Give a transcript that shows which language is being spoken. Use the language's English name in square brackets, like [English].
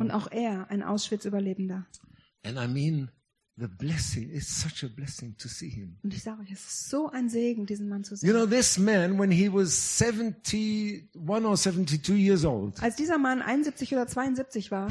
[German] Und auch er ein Auschwitz-Überlebender. [English] And I mean, the blessing is such a blessing to see him. [German] Und ich sage euch, es ist so ein Segen, diesen Mann zu sehen. [English] You know, this man, when he was 71 or 72 years old. [German] Als dieser Mann 71 oder 72 war.